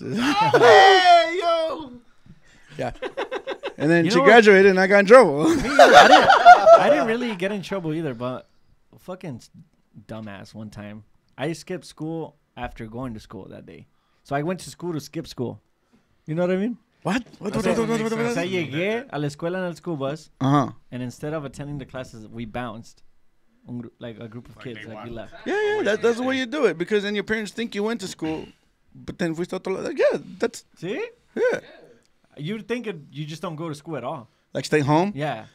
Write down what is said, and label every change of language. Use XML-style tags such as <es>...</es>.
<en>Hey, yo. Yeah. And then she graduated and I got in trouble. I didn't really get in trouble either, but fucking dumbass one time. I skipped school after going to school that day. So I went to school to skip school. You know what I mean? What?</en> <es>I llegué a la escuela en el school bus.</es> <en>And instead of attending the classes, we bounced. Like a group of kids. Like we left. Yeah. That's the way you do it. Because then your parents think you went to school. But then if we start to... See? Yeah. You'd think you just don't go to school at all. Like stay home? Yeah.</en>